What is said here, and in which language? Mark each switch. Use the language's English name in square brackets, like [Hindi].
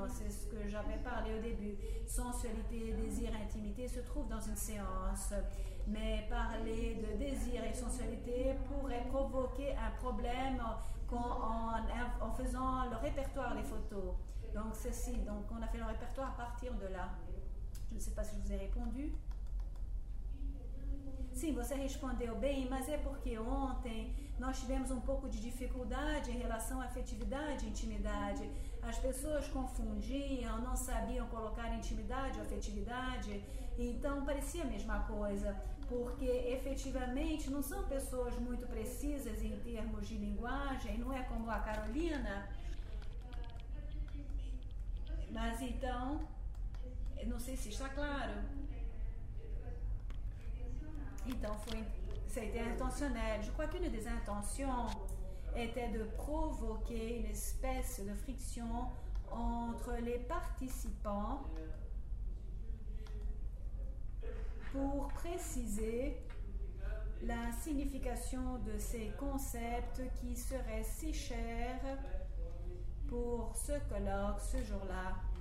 [French] C'est ce que j'avais parlé au début. Sensualité, désir, intimité se trouvent dans une séance. Mais parler de désir et sensualité pourrait provoquer un problème en faisant le répertoire des photos. Donc ceci, donc on a fait le répertoire à partir de là. Je ne sais pas si je vous ai répondu. [Portuguese] Sim, você respondeu bem, mas é porque ontem nós tivemos um pouco de dificuldade em relação à afetividade e intimidade. As pessoas confundiam, não sabiam colocar intimidade ou afetividade, então parecia a mesma coisa, porque efetivamente não são pessoas muito precisas em termos de linguagem, não é como a Carolina. Mas então, não sei se está claro. Então, [French] c'était intentionnel. Je crois qu'une des intentions était de provoquer une espèce de friction entre les participants pour préciser la signification de ces concepts qui seraient si chers pour ce colloque ce jour-là.